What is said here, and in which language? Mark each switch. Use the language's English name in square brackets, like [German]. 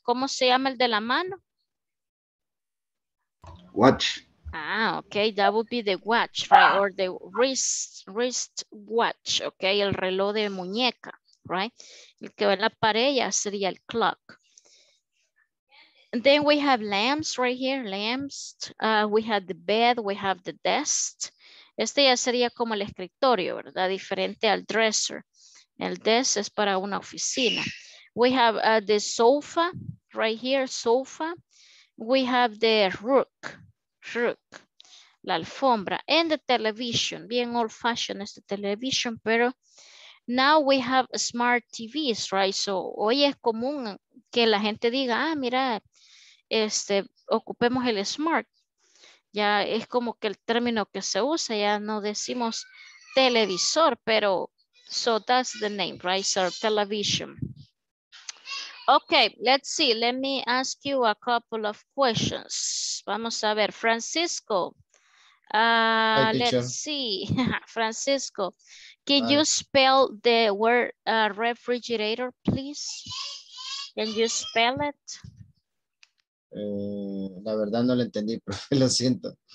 [Spanish] ¿Cómo se llama el de la mano? [English] Watch. Ah, ok. That would be the watch, right? Or the wrist watch, ok. [Spanish] El reloj de muñeca, right? El que va en la pared ya sería el clock. [English] And then we have lamps right here, lamps. We have the bed, we have the desk. [Spanish] Este ya sería como el escritorio, ¿verdad? Diferente al dresser. El desk es para una oficina. [English] We have the sofa, right here, sofa. We have the rug, [Spanish] la alfombra. [English] And the television, bien old fashioned este television, pero now we have smart TVs, right? [Spanish] So hoy es común que la gente diga, ah, mira, este, ocupemos el smart. Ya es como que el término que se usa, ya no decimos televisor, pero [English] so that's the name, right? So television. Okay, let's see. Let me ask you a couple of questions. [Spanish] Vamos a ver, Francisco. [English] Let's see. Francisco, can you spell the word refrigerator, please? Can you spell it? [Spanish] La verdad no lo entendí, profe, lo siento.